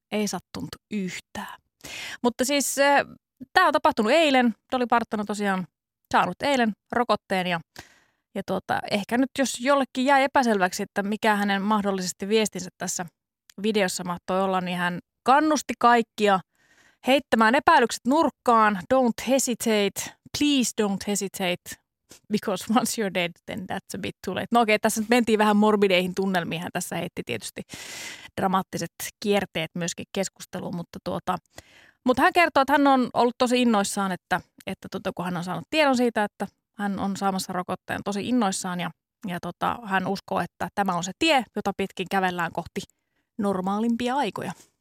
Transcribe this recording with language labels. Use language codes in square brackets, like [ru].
[fi] Ei sattunut yhtään. Mutta siis tämä on tapahtunut eilen. Dolly Parton tosiaan saanut eilen rokotteen ja ehkä nyt jos jollekin jää epäselväksi, että mikä hänen mahdollisesti viestinsä tässä videossa mahtoi olla, niin hän kannusti kaikkia heittämään epäilykset nurkkaan. [en] Don't hesitate, please don't hesitate, because once you're dead, then that's a bit too late. [fi] No okei, tässä nyt mentiin vähän morbideihin tunnelmiin. Hän tässä heitti tietysti dramaattiset kierteet myöskin keskusteluun, mutta hän kertoo, että hän on ollut tosi innoissaan, että kun hän on saanut tiedon siitä, että hän on saamassa rokotteen tosi innoissaan ja hän uskoo, että tämä on se tie, jota pitkin kävellään kohti normaalimpia aikoja.